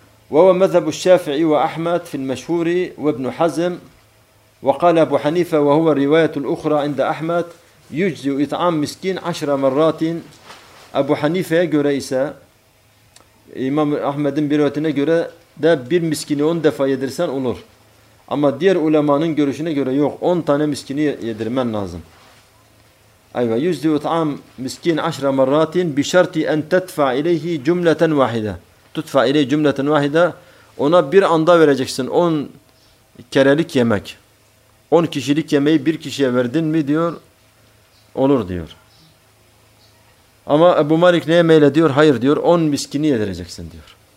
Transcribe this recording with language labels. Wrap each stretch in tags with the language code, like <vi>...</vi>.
<ar>وَوَ مَذَبُ الشَّافِعِ وَأَحْمَدْ فِي الْمَشْهُورِ وَابْنُ حَزِمْ وقال ابو حنيفه وهو الروايه الاخرى عند احمد يجزي اطعام مسكين 10 مرات ابو حنيفه</ar> <tr>göre ise İmam Ahmed'in bir rivayetine göre de bir miskini 10 defa yedirsen olur. Ama diğer ulemanın görüşüne göre yok, 10 tane miskini yedirmen lazım.</tr> <ar>Ayva يجزي اطعام مسكين 10 مرات بشرط ان تدفع اليه جمله واحده. تدفع اليه جمله واحده,</ar> <tr>ona bir anda vereceksin 10 kerelik yemek. 10 kişilik yemeği bir kişiye verdin mi diyor, olur diyor. Ama Ebu Malik neye meylediyor? Hayır diyor, 10 miskini yedireceksin diyor.</tr>